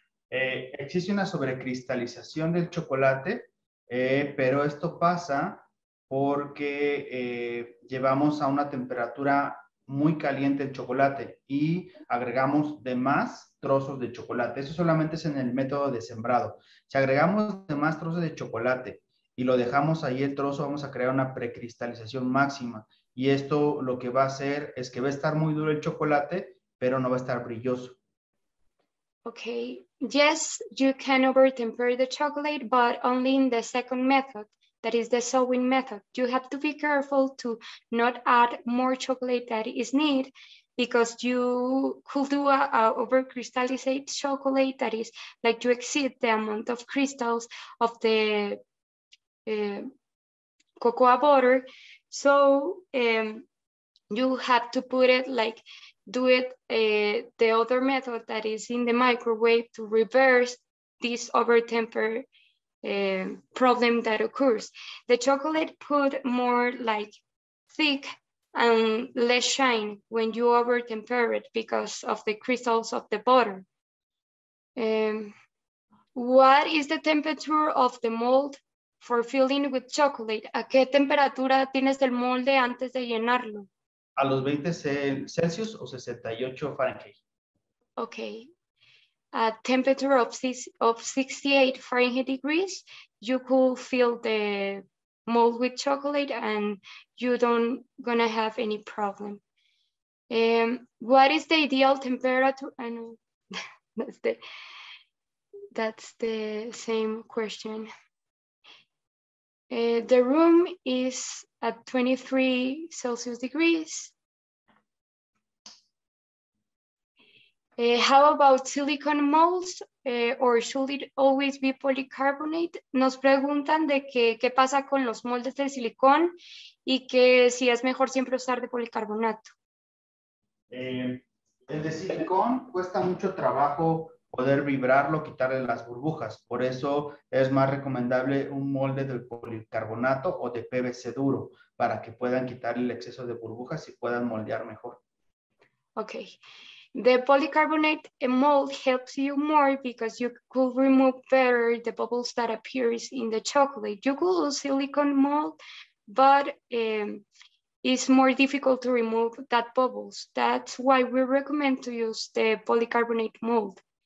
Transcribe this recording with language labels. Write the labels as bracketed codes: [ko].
[es] Existe una sobrecristalización del chocolate, pero esto pasa porque llevamos a una temperatura muy caliente el chocolate y agregamos de más trozos de chocolate. Eso solamente es en el método de sembrado. Si agregamos de más trozos de chocolate y lo dejamos ahí el trozo, vamos a crear una precristalización máxima. Y esto lo que va a hacer es que va a estar muy duro el chocolate, pero no va a estar brilloso. [en] Okay. Yes, you can over-temper the chocolate, but only in the second method. That is the sewing method. You have to be careful to not add more chocolate that is needed because you could do a over-crystallized chocolate that is like you exceed the amount of crystals of the cocoa butter. So you have to put it like do it the other method that is in the microwave to reverse this over-temper problem that occurs. The chocolate put more like thick and less shine when you over temper it because of the crystals of the butter. What is the temperature of the mold for filling with chocolate? [es] ¿A qué temperatura tienes el molde antes de llenarlo? A los 20 Celsius o 68 Fahrenheit. [en] Okay. A temperature of 68 Fahrenheit degrees, you could fill the mold with chocolate and you don't gonna have any problem. What is the ideal temperature? I know that's the same question. The room is at 23 Celsius degrees. How about silicone molds or should it always be polycarbonate? [es] Nos preguntan de que, qué pasa con los moldes de silicón y que si es mejor siempre usar de policarbonato. El de silicón cuesta mucho trabajo poder vibrarlo, quitarle las burbujas. Por eso es más recomendable un molde del policarbonato o de PVC duro para que puedan quitar el exceso de burbujas y puedan moldear mejor. [en] Ok. The polycarbonate mold helps you more because you could remove better the bubbles that appears in the chocolate. You could use silicone mold, but it's more difficult to remove that bubbles. That's why we recommend to use the polycarbonate mold.